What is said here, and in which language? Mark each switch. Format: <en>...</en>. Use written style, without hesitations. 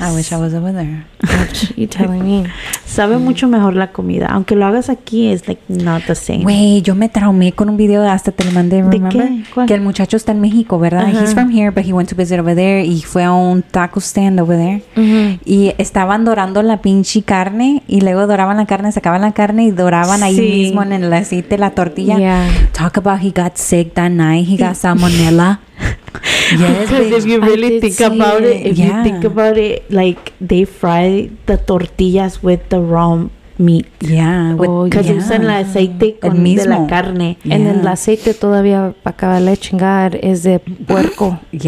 <en>I wish I was over there. What you telling me?</en> <es>Sabe mucho mejor la comida. Aunque lo hagas aquí,</es> <en>it's like not the same.</en> <es>Wey, yo me traumé con un video, hasta te lo mandé,</es> <en>remember?</en> <es>¿De qué? ¿Cuál? Que el muchacho está en México, ¿verdad? Uh-huh.</es> <en>He's from here, but he went to visit over there.</en> <es>Y fue a un</es> <en>taco stand over there.</en> <es>Uh-huh. Y estaban dorando la pinche carne. Y luego doraban la carne, sacaban la carne y doraban ahí mismo en el aceite la tortilla.</es> <en>Yeah. Talk about he got sick that night. He got salmonella. Yes, because if you really think about it, like they fry the tortillas with the raw meat.</en> <es>Usan el aceite con el de la carne.</es> <en>Yeah. And</en> <es>el aceite todavía para acabar de chingar es de puerco.</es>